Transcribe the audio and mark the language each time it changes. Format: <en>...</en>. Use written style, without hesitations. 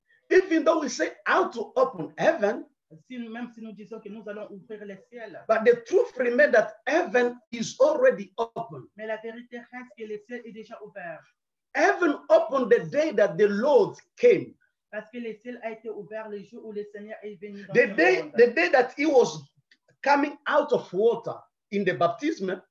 <en>Even though we say how to open heaven,</en> <fr>même si nous disons que nous allons ouvrir le ciel,</fr> <en>but the truth remains that heaven is already open.</en> <fr>Mais la vérité reste que le ciel est déjà ouvert.</fr> <en>Heaven opened the day that the Lord came.</en> <fr>Parce que le ciel a été ouvert le jour où le Seigneur est venu dans le monde.</fr> <en>The day that he was coming out of water in the baptism.</en>